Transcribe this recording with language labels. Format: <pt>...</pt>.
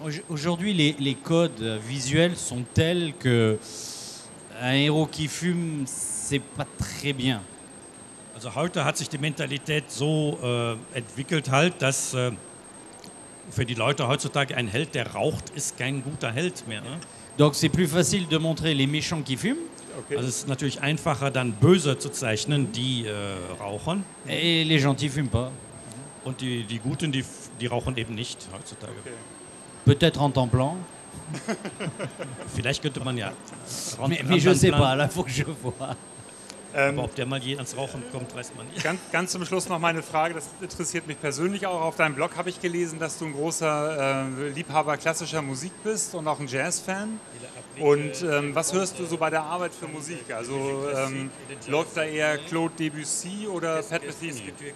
<fr>Aujourd'hui les codes visuels sont tels que un héros qui fume, c'est pas très bien.</fr> <de>Also heute hat sich die Mentalität so entwickelt halt, dass für die Leute heutzutage ein Held, der raucht, ist kein guter Held mehr. Ne?</de> <fr>Donc c'est plus facile de montrer les méchants qui fument. Okay.</fr> <de>Also es ist natürlich einfacher, dann Böse zu zeichnen, die rauchen.</de> <fr>Et les gentils fument pas.</fr> <de>Und die Guten, die rauchen eben nicht heutzutage.</de> <fr>Okay. Peut-être en templant.</fr> <de>Vielleicht könnte man ja.</de> <fr>Mais je sais pas, là faut que je vois.</fr> <de>Aber ob der mal je ans Rauchen kommt, weiß man nicht. Ganz zum Schluss noch meine Frage, das interessiert mich persönlich auch. Auf deinem Blog habe ich gelesen, dass du ein großer Liebhaber klassischer Musik bist und auch ein Jazz-Fan. Und was hörst du so bei der Arbeit für Musik? Also läuft da eher Claude Debussy oder Pat Metheny?</de>